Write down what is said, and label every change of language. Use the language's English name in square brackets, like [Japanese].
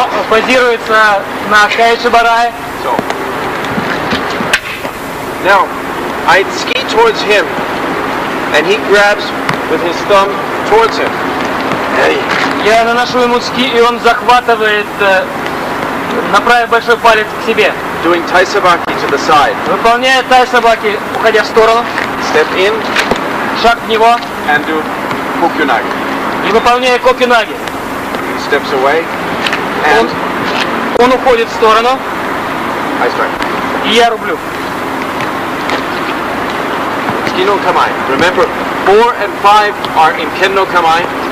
[Russian] Базируется на Кайшибарае. [English] So. Now, I ski towards him, and he grabs with his thumb towards him. [Russian] Я наношу ему ски, и он захватывает, направив большой палец к себе. [English] Doing Тайсабаки to the side. [Russian] Выполняет Тайсабаки, уходя в сторону. [English] Step in. [Russian] Шаг в него. [English] And do Кокюнаги. [Russian] И выполняя Кокюнаги. [English] He steps away. And [Russian] он уходит в сторону. [English] I strike. [Russian] И я рублю. Кенно камай. [English] Remember, 4 and 5 are in кенно камай.